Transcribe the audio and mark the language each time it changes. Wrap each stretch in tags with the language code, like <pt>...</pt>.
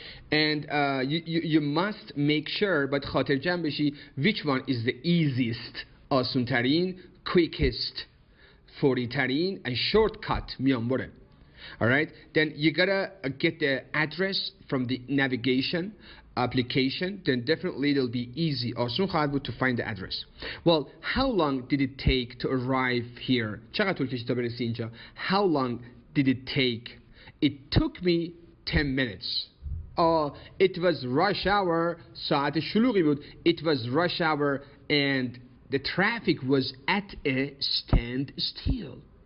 <en>And you must make sure,</en> <fa>باید خاطر جمع بشی,</fa> <en>which one is the easiest,</en> <fa>آسون ترین,</fa> <en>quickest,</en> <fa>فوری ترین,</fa> <en>and shortcut,</en> <fa>میانبره.</fa> <en>Alright, then you gotta get the address from the navigation application, then definitely it'll be easy or soon hard to find the address. Well, how long did it take to arrive here?</en> <fa>چقدر طول کشید تا برسی اینجا?</fa> <en>How long did it take? It took me 10 minutes. Oh, it was rush hour,</en> <fa>ساعت شلوغی بود.</fa> <en>It was rush hour and the traffic was at a standstill.</en>